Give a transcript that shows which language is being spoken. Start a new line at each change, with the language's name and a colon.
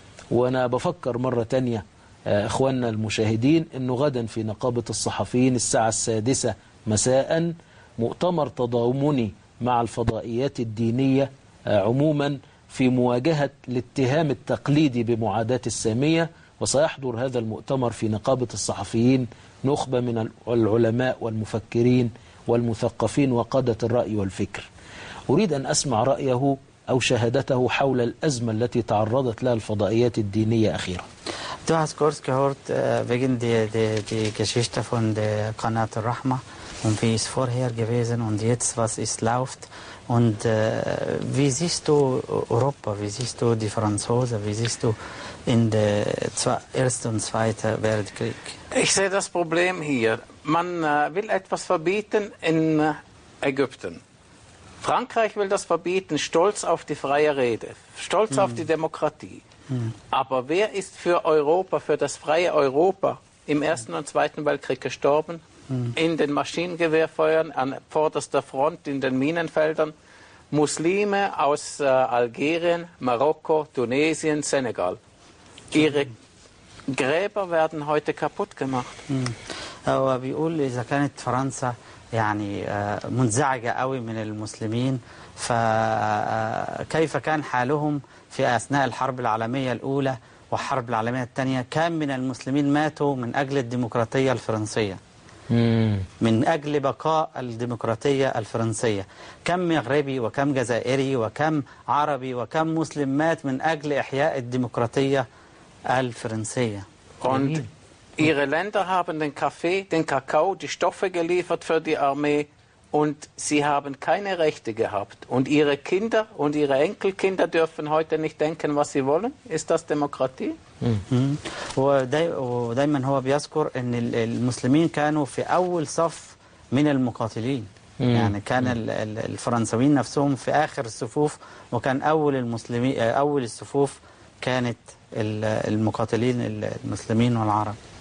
Arabic: وأنا بفكر مرة تانية أخواننا المشاهدين أنه غدا في نقابة الصحفيين الساعة 6 مساء مؤتمر تضامني مع الفضائيات الدينية عموما في مواجهة الاتهام التقليدي بمعاداة السامية، وسيحضر هذا المؤتمر في نقابة الصحفيين نخبة من العلماء والمفكرين والمثقفين وقادة الرأي والفكر. أريد أن أسمع رأيه أو شهادته حول الأزمة التي تعرضت لها الفضائيات الدينية أخيرا.
German: Du hast kurz gehört wegen der Geschichte von der Kanal der Rahma. und wie es vorher gewesen und jetzt, was es läuft. Und wie siehst du Europa, wie siehst du die Franzosen, wie siehst du in der Ersten und Zweiten Weltkrieg? Ich sehe das Problem hier. Man will etwas verbieten in Ägypten. Frankreich will das verbieten, stolz auf die freie Rede, stolz auf die Demokratie. Aber wer ist für Europa, für das freie Europa im Ersten und Zweiten Weltkrieg gestorben? In den Maschinengewehrfeuern, an vorderster Front, in den Minenfeldern. Muslime aus Algerien, Marokko, Tunesien, Senegal. Ihre Gräber werden heute kaputt gemacht. Aber wie Uli, da kann ich Franz
Arabic: يعني منزعجة قوي من المسلمين فكيف كان حالهم في أثناء الحرب العالمية الأولى وحرب العالمية الثانية كم من المسلمين ماتوا من أجل الديمقراطية الفرنسية من أجل بقاء الديمقراطية الفرنسية كم مغربي وكم جزائري وكم عربي وكم مسلم مات من أجل إحياء الديمقراطية الفرنسية
German: Ihre Länder haben den Kaffee, den Kakao, die Stoffe geliefert für die Armee und sie haben keine Rechte gehabt. Und ihre Kinder und ihre Enkelkinder dürfen heute nicht denken, was sie wollen. Ist das Demokratie?
Arabic: ودايماً هو بيذكر إن المسلمين كانوا في أول صف من المقاتلين. يعني كان الفرنسيين نفسهم في آخر الصفوف وكان أول المسلمين أول الصفوف كانت المقاتلين المسلمين والعرب.